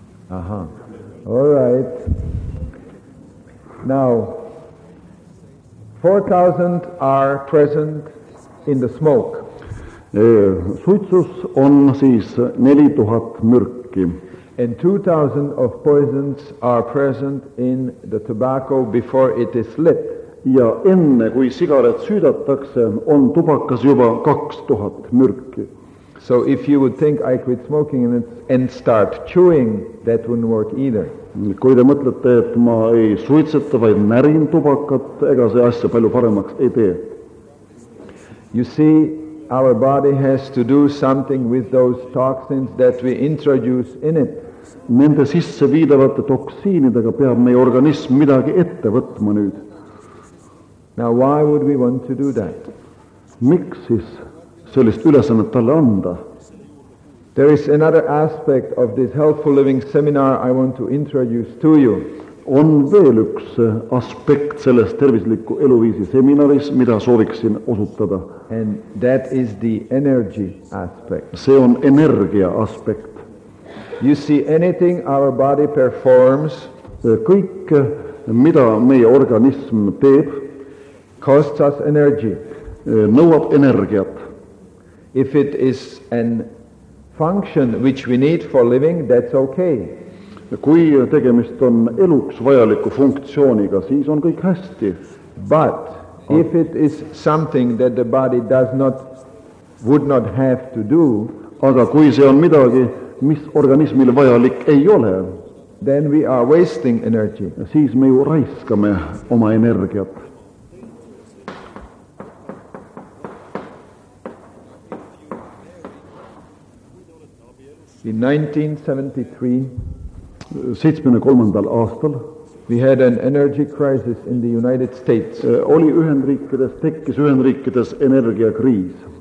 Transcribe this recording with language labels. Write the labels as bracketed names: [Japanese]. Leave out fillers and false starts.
[English] Uh-huh. All right. Now, 4000 are present in the smoke. [Estonian] Suitsus on siis 4000 mürkki. [English] And 2000 of poisons are present in the tobacco before it is lit. [Estonian] Ja enne kui sigaret süüdatakse, on tubakas juba 2000 mürkki. [English] So if you would think I quit smoking and start chewing, that wouldn't work either. [Estonian] Kui te mõtlete, et ma ei suitseta, vaid närin tubakat, ega see asja palju paremaks ei tee. [English] You see, our body has to do something with those toxins that we introduce in it. [Estonian] Nende sisse viidavate toksiinidega peab meie organism midagi ette võtma nüüd. [English] Now, why would we want to do that? [Estonian] Miks siis sellist ülesannet talle anda? [English] There is another aspect of this Healthful Living seminar I want to introduce to you. [Estonian] On veel üks aspekt sellest tervisliku eluviisi seminaris, mida sooviksin osutada. [English] And that is the energy aspect. [Estonian] See on energia aspekt. [English] You see, anything our body performs, [Estonian] kõik, mida meie organism teeb, [English] costs us energy. [Estonian] Nõuab energiat. [English] If it is an function which we need for living, that's okay. [Estonian] Kui tegemist on eluks vajaliku funktsiooniga, siis on kõik hästi. [English] But if it is something that the body does not, would not have to do, [Estonian] aga kui see on midagi, mis organismil vajalik ei ole, [English] then we are wasting energy. [Estonian] Siis me ju raiskame oma energiat. [English] In 1973, [Estonian] 73. aastal, [English] we had an energy crisis in the United States. [Estonian] Oli Ühendriikides, tekkis Ühendriikides energiakriis.